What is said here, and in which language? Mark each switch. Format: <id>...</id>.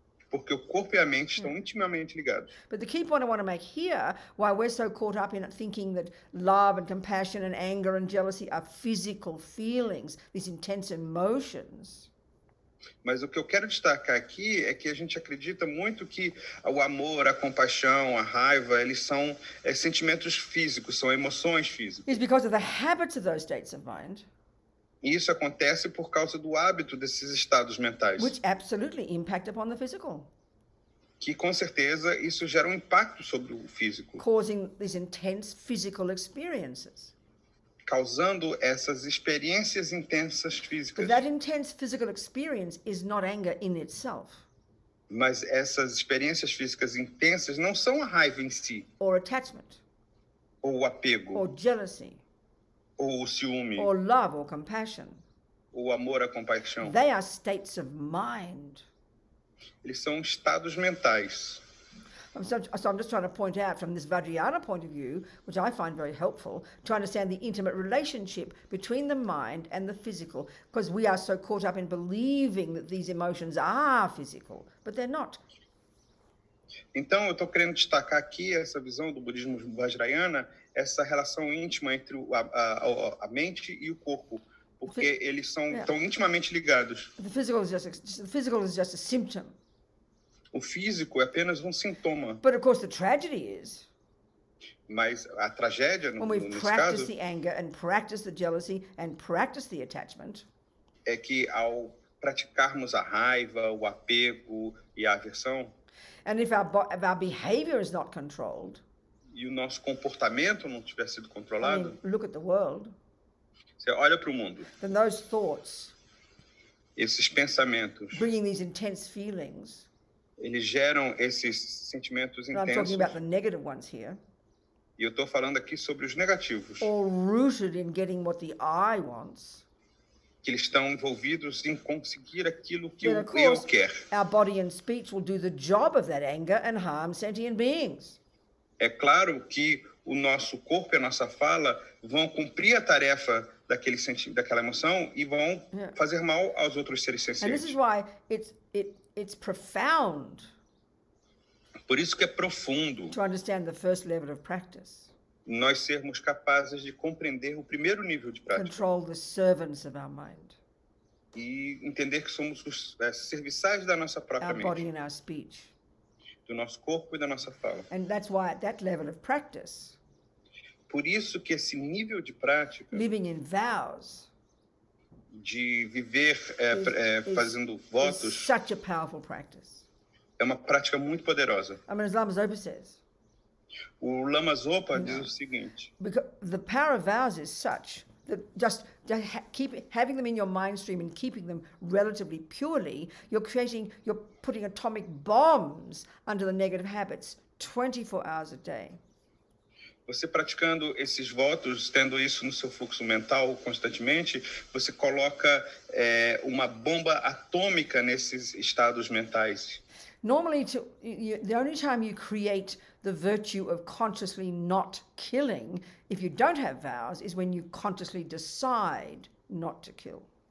<pt>Porque o corpo e a mente estão intimamente ligados.</pt> <en>But the key point I want to make here, why we're so caught up in thinking that love and compassion and anger and jealousy are physical feelings, these intense emotions.</en> <pt>Mas o que eu quero destacar aqui é que a gente acredita muito que o amor, a compaixão, a raiva, eles são sentimentos físicos, são emoções físicas.</pt> <en>It's because of the habits of those states of mind.</en> <pt>E isso acontece por causa do hábito desses estados mentais.</pt> <en>Which absolutely impact upon the physical.</en> <pt>Que, com certeza, isso gera impacto sobre o físico.</pt> <en>Causing these intense physical experiences.</en> <pt>Causando essas experiências intensas físicas.</pt> <en>But that intense physical experience is not anger in itself.</en> <pt>Mas essas experiências físicas intensas não são a raiva em si.</pt> <en>Or attachment.</en> <pt>Ou o apego.</pt> <en>Or jealousy.</en> <pt>Ou o ciúme.</pt> <en>Or love or compassion.</en> <pt>Ou amor à compaixão.</pt> <en>They are states of mind.</en> <pt>Eles são estados mentais.</pt> <en>So I'm just trying to point out from this Vajrayana point of view, which I find very helpful, to understand the intimate relationship between the mind and the physical, because we are so caught up in believing that these emotions are physical, but they're not.</en> <pt>Então, eu estou querendo destacar aqui essa visão do budismo Vajrayana, essa relação íntima entre a mente e o corpo, porque eles são tão intimamente ligados.</pt> <en>The physical is just a symptom.</en> <pt>O físico é apenas sintoma.</pt> <en>But of course the tragedy is.</en> <pt>Mas a tragédia,</pt> <en>when we practice the anger and practice the jealousy and practice the attachment.</en> <pt>É que ao praticarmos a raiva, o apego e a aversão.</pt> <en>And if our behavior is not controlled.</en> <pt>E o nosso comportamento não tiver sido controlado.</pt> <en>Look at the world.</en> <pt>Você olha para o mundo.</pt> <en>Then those thoughts.</en> <pt>Esses pensamentos.</pt> <en>Bringing these intense feelings.</en> <pt>Eles geram esses sentimentos intensos.</pt> <en>I'm talking about the negative ones here.</en> <pt>E eu estou falando aqui sobre os negativos.</pt> <en>All rooted in getting what the I wants.</en> <pt>Que eles estão envolvidos em conseguir aquilo que eu quero.</pt> <en>Our body and speech will do the job of that anger and harm sentient beings.</en> <pt>É claro que o nosso corpo e a nossa fala vão cumprir a tarefa daquele sentimento, daquela emoção e vão fazer mal aos outros seres sencientes.</pt> <en>And this is why it's profound.</en> <pt>Por isso que é profundo.</pt> <en>To understand the first level of practice.</en> <pt>Nós sermos capazes de compreender o primeiro nível de prática.</pt> <en>Control the servants of our mind.</en> <pt>E entender que somos os serviçais da nossa própria mente.</pt> <en>Our body and our speech.</en> <pt>Do nosso corpo e da nossa fala.</pt> <en>And that's why at that level of practice.</en> <pt>Por isso que esse nível de prática.</pt> <en>Living in vows.</en> <pt>De viver fazendo votos.</pt> <en>Such a powerful practice.</en> <pt>É uma prática muito poderosa.</pt> <en>I mean, as Lama Zopa says.</en> <pt>O Lama Zopa diz o seguinte.</pt> <en>Because the power of vows is such that just keep having them in your mind stream and keeping them relatively purely, you're putting atomic bombs under the negative habits 24 hours a day.</en> <pt>Você praticando esses votos, tendo isso no seu fluxo mental constantemente, você coloca uma bomba atômica nesses estados mentais.</pt> <en>Normally, the only time you create the virtue of consciously not killing, if you don't have vows, is when you consciously decide not to kill.</en>